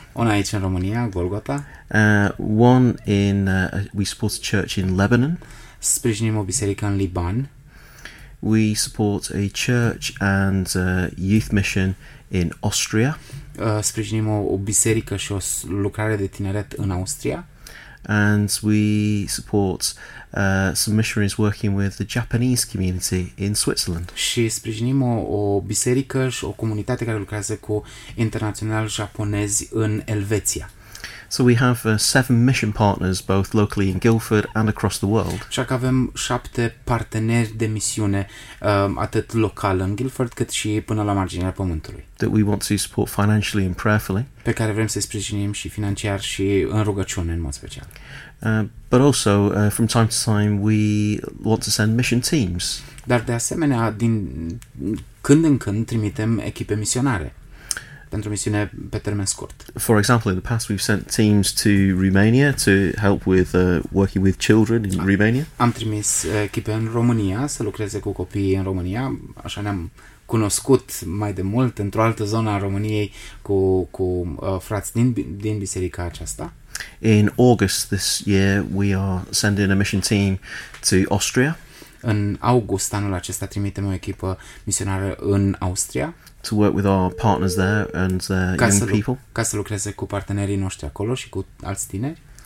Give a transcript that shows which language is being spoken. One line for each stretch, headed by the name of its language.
Romanian: Una aici în România, Golgota.
English: One in we support a church in Lebanon.
Romanian: Sprijinim o biserică în Liban.
English: We support a church and a youth mission in Austria.
Romanian: Sprijinim o biserică și o lucrare de tineret în Austria.
English: And we support some missionaries working with the Japanese community in Switzerland.
Romanian: Și sprijinim o biserică și o comunitate care lucrează cu internaționali japonezi în Elveția.
English: So we have 7 mission partners both locally in Guildford and across the world.
Romanian: Și avem 7 parteneri de misiune atât local în Guildford cât și până la marginea pământului.
English: That we want to support financially and prayerfully.
Romanian: Pe care vrem să-i sprijinim și financiar și în rugăciune în mod special.
English: But also from time to time we want to send mission teams.
Romanian: Dar de asemenea din când în când trimitem echipe misionare pentru misiune pe termen scurt.
English: For example, in the past we've sent teams to Romania to help with working with children in Romania.
Romanian: Am trimis echipe în România să lucreze cu copiii în România, așa ne-am cunoscut mai de mult într-o altă zonă a României cu frați din biserica aceasta.
English: In August this year we are sending a mission team to Austria.
Romanian: În august anul acesta trimitem o echipă misionară în Austria.
English: To work with our partners there and young people.
Romanian: Ca să lucreze cu partenerii noștri acolo și cu alți tineri.